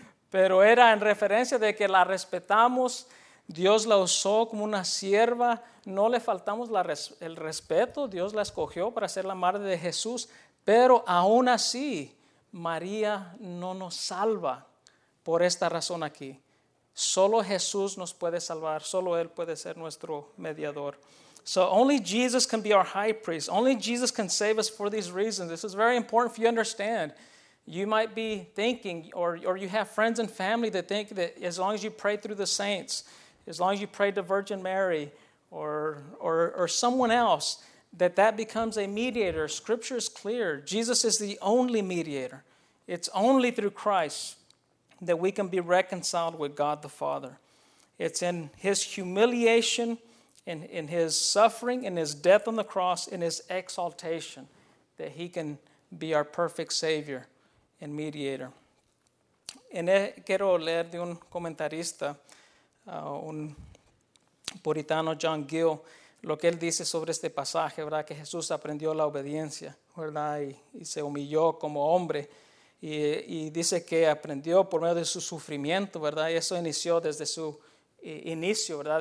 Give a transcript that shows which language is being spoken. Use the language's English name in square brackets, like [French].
[Spanish] Pero era en referencia de que la respetamos, Dios la usó como una sierva, no le faltamos el respeto, Dios la escogió para ser la madre de Jesús, pero aún así María no nos salva por esta razón aquí. Solo Jesús nos puede salvar, solo Él puede ser nuestro mediador. [English] So only Jesus can be our high priest. Only Jesus can save us for these reasons. This is very important for you to understand. You might be thinking, or you have friends and family that think that as long as you pray through the saints, as long as you pray to Virgin Mary or someone else, that becomes a mediator. Scripture is clear. Jesus is the only mediator. It's only through Christ that we can be reconciled with God the Father. It's in His humiliation, in His suffering, in His death on the cross, in His exaltation, that He can be our perfect Savior and mediator. [Spanish] Quiero leer de un comentarista, un puritano, John Gill, lo que él dice sobre este pasaje, ¿verdad? Que Jesús aprendió la obediencia, ¿verdad? Y se humilló como hombre. Y dice que aprendió por medio de su sufrimiento, ¿verdad? Y eso inició desde su inicio, ¿verdad?